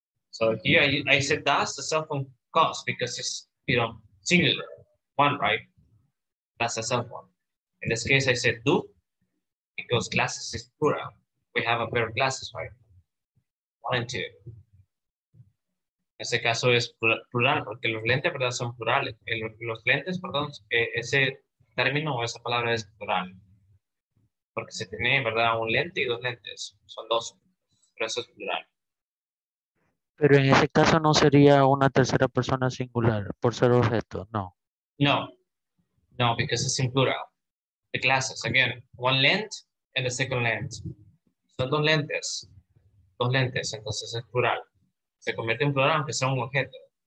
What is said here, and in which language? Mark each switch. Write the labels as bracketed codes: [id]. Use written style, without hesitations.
[en] So here I said that's the cell phone cost because it's, you know, singular one, right? That's a cell phone. In this case, I said do because glasses is plural. We have a pair of glasses, right? One and two. [es] Ese caso es plural porque los lentes, ¿verdad? Son plurales. Los lentes, perdón, ese término o esa palabra es plural. Porque se tiene, ¿verdad? Un lente y dos lentes. Son dos. Pero eso es plural. Pero en ese caso no sería una tercera persona singular por ser objeto, no. [en] No. No, because it's in plural. The glasses, again, one lens and the second lens. [es] Son dos lentes. Dos lentes, entonces es plural. Se convierte en plural aunque sea un objeto.